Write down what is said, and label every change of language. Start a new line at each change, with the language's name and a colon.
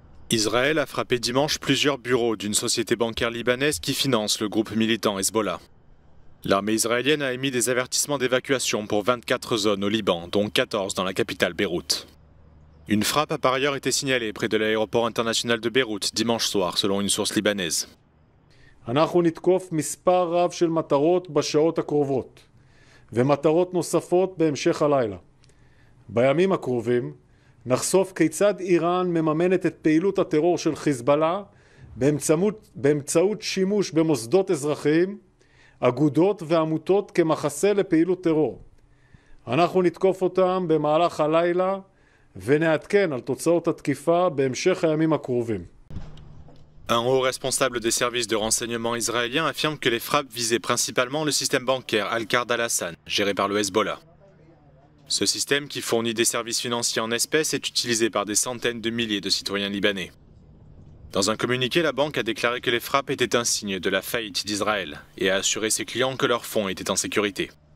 French: Israël a frappé dimanche plusieurs bureaux d'une société bancaire libanaise qui finance le groupe militant Hezbollah. L'armée israélienne a émis des avertissements d'évacuation pour 24 zones au Liban, dont 14 dans la capitale Beyrouth. Une frappe a par ailleurs été signalée près de l'aéroport international de Beyrouth dimanche soir, selon une source libanaise. Nous allons attaquer un nombre de
Hebrew: ומטרות נוספות בהמשך הלילה. בימים הקרובים נחשוף כיצד איראן מממנת את פעילות הטרור של חיזבאללה באמצעות שימוש במוסדות אזרחיים, אגודות ועמותות כמחסה לפעילות טרור. אנחנו נתקוף אותם במהלך הלילה ונעדכן על תוצאות התקיפה בהמשך הימים הקרובים.
French: Un haut responsable des services de renseignement israéliens affirme que les frappes visaient principalement le système bancaire Al-Qard al-Hassan, géré par le Hezbollah. Ce système, qui fournit des services financiers en espèces, est utilisé par des centaines de milliers de citoyens libanais. Dans un communiqué, la banque a déclaré que les frappes étaient un signe de la faillite d'Israël et a assuré ses clients que leurs fonds étaient en sécurité.